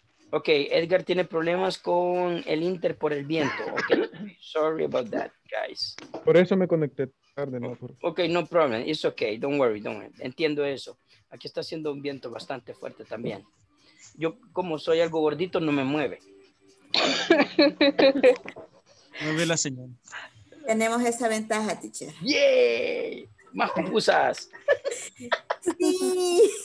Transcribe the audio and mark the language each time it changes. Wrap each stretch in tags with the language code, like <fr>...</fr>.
<es>Okay, Edgar tiene problemas con el inter por el viento.</es> <en>Okay, sorry about that, guys.</en> <es>Por eso me conecté.</es> <en>Ok, no problem, it's ok, don't worry, don't worry.</en> <es>Entiendo eso. Aquí está haciendo un viento bastante fuerte también. Yo, como soy algo gordito, no me mueve. No ve la señal. Tenemos esa ventaja, teacher. ¡Yay! Más pupusas. Sí.</es>